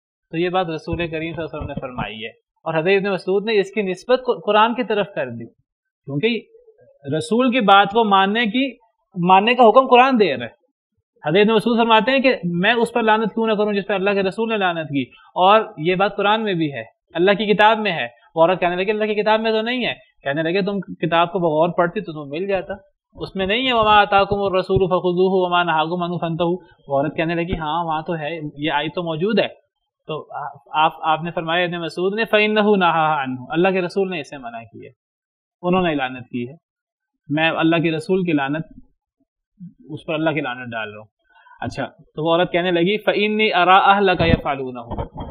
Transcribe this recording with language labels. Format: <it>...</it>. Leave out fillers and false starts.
<ur>تو یہ بات رسول کریم صلی اللہ علیہ وسلم نے فرمائی ہے, اور حضرت ابن مسعود نے اس کی نسبت قرآن کی طرف کر دی, کیونکہ رسول کی بات کو ماننے کا حکم قرآن دے رہا ہے, حضرت رسول فرماتے ہیں کہ میں اس پر لعنت کیوں نہ کروں جس پر اللہ کے رسول نے لعنت کی. اور یہ بات قرآن میں بھی ہے, اللہ کی کتاب میں ہے. عورت کہنے لگے اللہ کی کتاب میں تو نہیں ہے. کہنے لگے تم کتاب کو بغور پڑھتی تو تمہیں مل جاتا, اس میں نہیں ہے.</ur> <ar>وما آتاکم الرسول فخذوه وما نهاکم عنہ فانتہوا.</ar> <ur>عورت کہنے لگی ہاں وہاں تو ہے, یہ آیت تو موجود ہے. تو آپ نے فرمایا ابن مسعود نے</ur> <ar>فإنہ نہا عنہ,</ar> <ur>اللہ کے رسول نے اسے منع کیا ہے, انہوں نے لعنت کی ہے. میں اللہ کے رسول کی لعنت, اس پر اللہ کی لعنت ڈال رہا ہوں. اچھا تو وہ عورت کہنے لگی</ur> <ar>فإنی أرى أهلك يفعلونه.</ar>